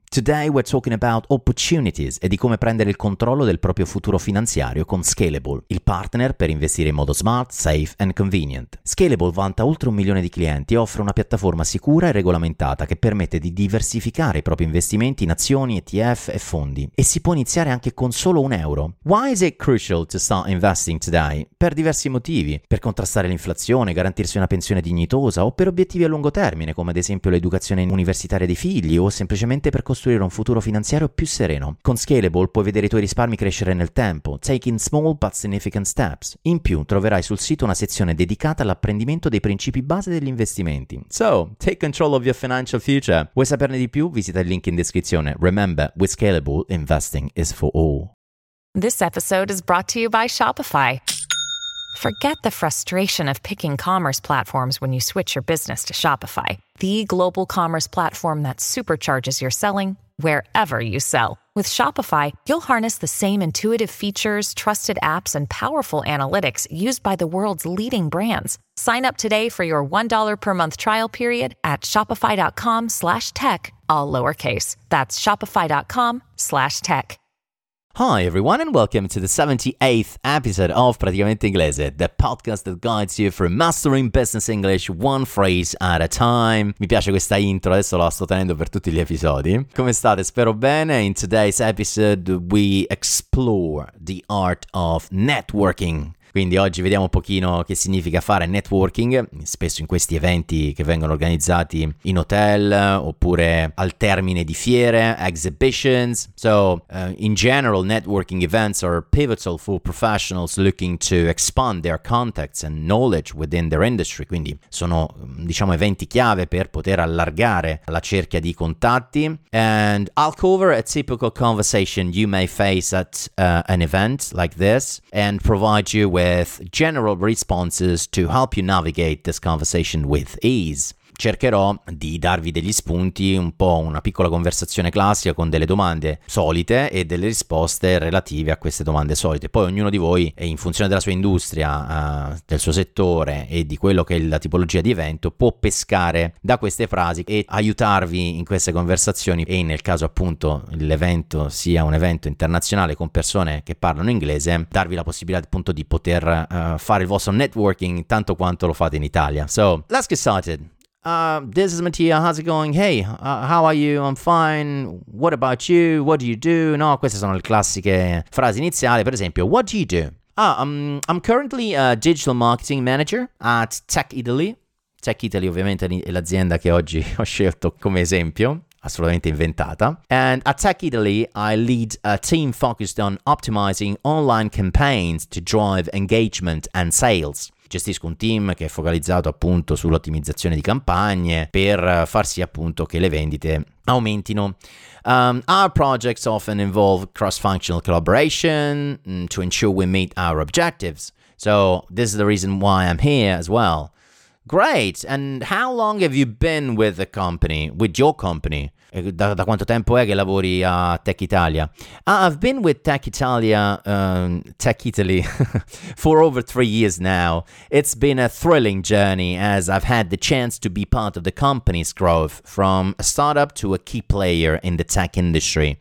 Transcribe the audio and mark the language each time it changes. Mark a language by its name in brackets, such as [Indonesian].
[English] Today we're talking about opportunities [Italian] e di come prendere il controllo del proprio futuro finanziario con Scalable, il partner per investire in modo [English] smart, safe and convenient. [Italian] Scalable vanta oltre 1 milione di clienti e offre una piattaforma sicura e regolamentata che permette di diversificare i propri investimenti in azioni, ETF e fondi. E si può iniziare anche con solo un euro. [English] Why is it crucial to start investing today? [Italian] Per diversi motivi. Per contrastare l'inflazione, garantirsi una pensione dignitosa o per obiettivi a lungo termine, come ad esempio l'educazione universitaria dei figli o semplicemente per costruire un futuro finanziario più sereno. Con Scalable puoi vedere i tuoi risparmi crescere nel tempo, [English] taking small but significant steps. [Italian] In più, troverai sul sito una sezione dedicata all'apprendimento dei principi base degli investimenti. [English] So, take control of your financial future. [Italian] Vuoi saperne di più? Visita il link in descrizione. [English] Remember, with Scalable, investing is for all. This episode is brought to you by Shopify. Forget the frustration of picking commerce platforms when you switch your business to Shopify, the global commerce platform that supercharges your selling wherever you sell. With Shopify, you'll harness the same intuitive features, trusted apps, and powerful analytics used by the world's leading brands. Sign up today for your $1 per month trial period at shopify.com/tech, all lowercase. That's shopify.com/tech. Hi everyone and welcome to the 78th episode of Praticamente Inglese, the podcast that guides you from mastering business English one phrase at a time. [Italian] Mi piace questa intro, adesso la sto tenendo per tutti gli episodi. Come state? Spero bene. [English] In today's episode we explore the art of networking. [Italian] Quindi oggi vediamo un pochino che significa fare networking, spesso in questi eventi che vengono organizzati in hotel oppure al termine di fiere, exhibitions. [English] So, in general, networking events are pivotal for professionals looking to expand their contacts and knowledge within their industry. [Italian] Quindi sono, diciamo, eventi chiave per poter allargare la cerchia di contatti. [English] And I'll cover a typical conversation you may face at an event like this and provide you with general responses to help you navigate this conversation with ease. [Italian] Cercherò di darvi degli spunti, un po' una piccola conversazione classica con delle domande solite e delle risposte relative a queste domande solite. Poi ognuno di voi, in funzione della sua industria, del suo settore e di quello che è la tipologia di evento, può pescare da queste frasi e aiutarvi in queste conversazioni. E nel caso appunto l'evento sia un evento internazionale con persone che parlano inglese, darvi la possibilità appunto di poter fare il vostro networking tanto quanto lo fate in Italia. [English] So, let's get started. This is Mattia, how's it going? Hey, how are you? I'm fine. What about you? What do you do? [Italian] No, queste sono le classiche frasi iniziali. Per esempio, [English] what do you do? I'm currently a digital marketing manager at Tech Italy. [Italian] Tech Italy ovviamente è l'azienda che oggi ho scelto come esempio, assolutamente inventata. [English] And at Tech Italy, I lead a team focused on optimizing online campaigns to drive engagement and sales. [Italian] Gestisco un team che è focalizzato appunto sull'ottimizzazione di campagne per far sì appunto che le vendite aumentino. [English] Our projects often involve cross-functional collaboration to ensure we meet our objectives. So this is the reason why I'm here as well. Great! And how long have you been with the company, with your company? [Italian] Da quanto tempo è che lavori a Tech Italia? [English] I've been with Tech Italy for over 3 years now. It's been a thrilling journey as I've had the chance to be part of the company's growth from a startup to a key player in the tech industry.